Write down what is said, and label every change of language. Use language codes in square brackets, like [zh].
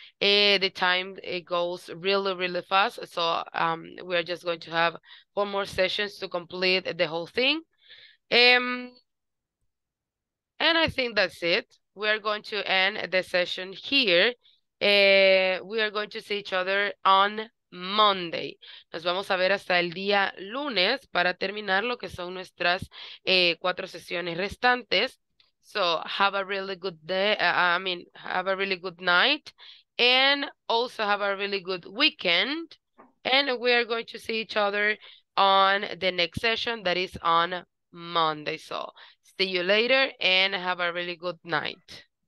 [en] The time it goes really, really fast. So we are just going to have 4 more sessions to complete the whole thing. And I think that's it. We are going to end the session here. We are going to see each other on Monday. [es] Nos vamos a ver hasta el día lunes para terminar lo que son nuestras 4 sesiones restantes. [en] So have a really good day. Have a really good night, and also have a really good weekend. And we are going to see each other on the next session, that is on Monday. So see you later and have a really good night.